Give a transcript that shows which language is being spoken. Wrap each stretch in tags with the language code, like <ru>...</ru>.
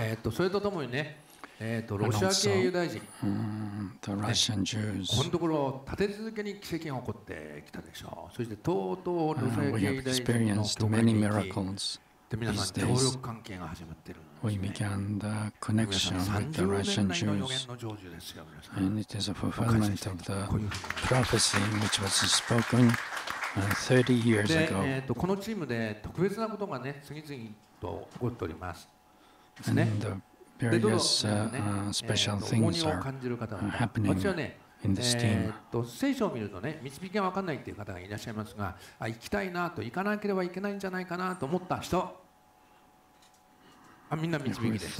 <ja>それとともにね、ロシア系ユダヤ人、</ja> <en>the Russian Jews、</en> <ja>このところ立て続けに奇跡が起こってきたでしょう。そしてとうとうロシア系ユダヤ人の教会に行き、で皆さん協力関係が始まってるんですね。</ja> <en>We began the connection with the Russian Jews. And it is a fulfillment of the prophecy which was spoken 30 years ago.</en> <ja>このチームで特別なことがね、次々と起こっております。</ja> <en>And the various special things are happening. In this team.</en> <ja>聖書を見るとね、導きが分かんないっていう方がいらっしゃいますが、あ、行きたいなと、行かなければいけないんじゃないかなと思った人、あ、みんな導きです。</ja>